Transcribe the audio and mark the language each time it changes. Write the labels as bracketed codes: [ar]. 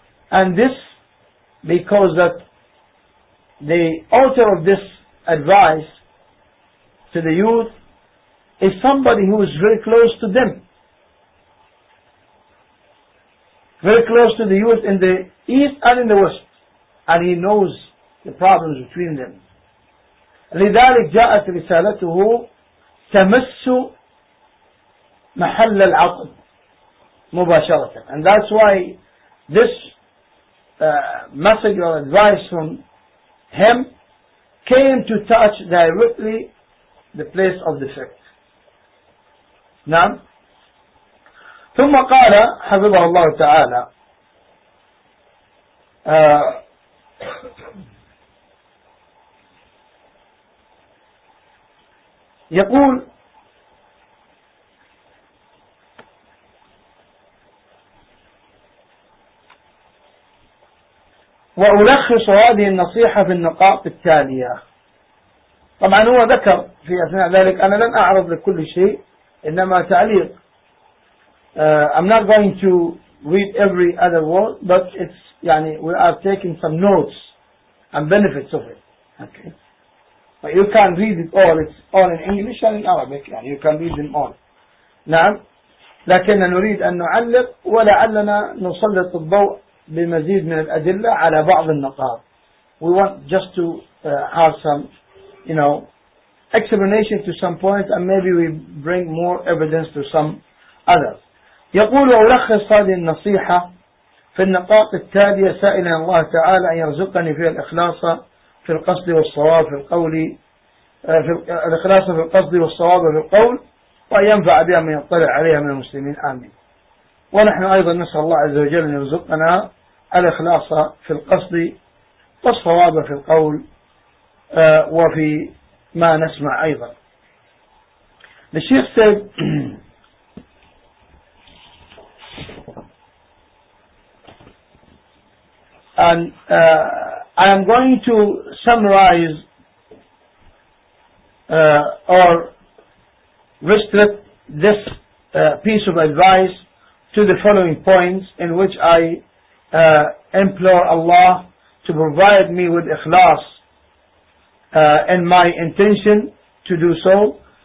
[en] And this because that the author of this advice to the youth is somebody who is very close to them, very close to the youth in the East and in the West, and he knows the problems between them. [ar] لذلك جاءت رسالته تمس محل العقل مباشرة. [en] And that's why this message or advice from him came to touch directly the place of the fact. [ar] نعم. ثم قال حفظه الله تعالى يقول وألخص هذه النصيحة في النقاط التالية. طبعا هو ذكر في أثناء ذلك, أنا لن أعرض لكل شيء إنما تعليق. [en] I'm not going to read every other word, but it's [ar] يعني [en] we are taking some notes and benefits of it. Okay, but you can read it all. It's all in English and in Arabic. [ar] يعني [en] you can read them all. [ar] نعم, لكن نريد أن نعلق ولعلنا نسلط الضوء بمزيد من الأدلة على بعض النقاط. [en] We want just to have some, you know, explanation to some points, and maybe we bring more evidence to some others. [ar] يقول ألخص هذه النصيحة في النقاط التالية, سائلا الله تعالى أن يرزقني فيها الإخلاص في القصد والصواب في القول, في الإخلاص في القصد والصواب في القول, وينفع بها من يطلع عليها من المسلمين, آمين. ونحن أيضا نسأل الله عز وجل أن يرزقنا الإخلاص في القصد والصواب في القول وفي ما نسمع أيضا. [en] الشيخ سيد and I am going to summarize or restrict this piece of advice to the following points, in which I implore Allah to provide me with ikhlas in my intention to do so,